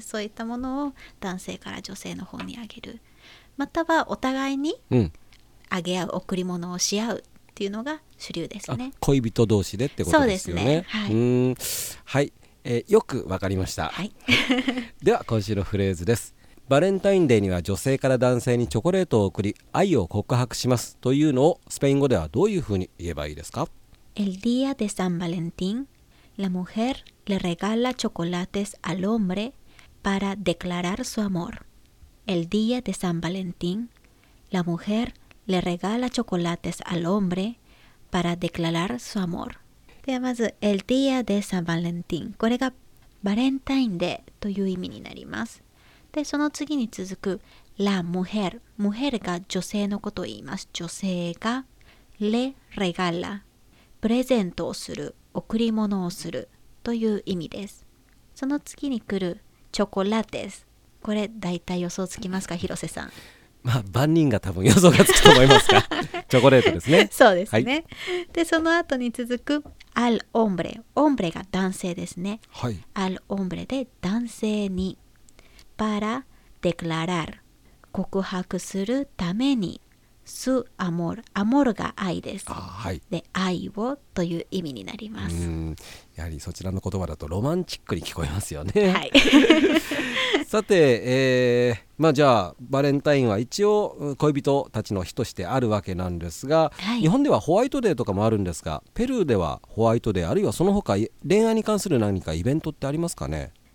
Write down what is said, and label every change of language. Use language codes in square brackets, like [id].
[ja] そういったものを男性から女性の方にあげる、またはお互いにあげ合う、贈り物をし合うっていうのが主流ですね。恋人同士でってことですよね。そうですね。はい、よくわかりました。はい、では今週のフレーズです。バレンタインデーには女性から男性にチョコレートを送り愛を告白しますというのをスペイン語ではどういうふうに言えばいいですか？ [es] El día de San Valentín la mujer le regala chocolates al hombre para declarar su amor. El día de San Valentín la mujerle regala chocolates al hombre para declarar su amor. [ja] ではまず、 [es] el día de San Valentín。 [ja] これがバレンタインデーという意味になります。で、その次に続く、 [es] la mujer。 [ja] mujer が女性のことを言います。女性が、 [es] le regala。 [ja] プレゼントをする、贈り物をするという意味です。その次に来る、chocolates。これ、大体予想つきますか、広瀬さん。万人が多分予想がつくと思いますがチョコレートですね。そうですね、はい、でその後に続く [es] al hombre。 [ja] hombre が男性ですね、はい、 [es] al hombre [ja] で男性に、 [es] para declarar [ja] 告白するために [es] su amor。 [ja] amor が愛です。あ、はい、で愛をという意味になります。やはりそちらの言葉だとロマンチックに聞こえますよね。はいさて、じゃあバレンタインは一応恋人たちの日としてあるわけなんですが、はい、日本ではホワイトデーとかもあるんですが、ペルーではホワイトデー、あるいはその他恋愛に関する何かイベントってありますかね？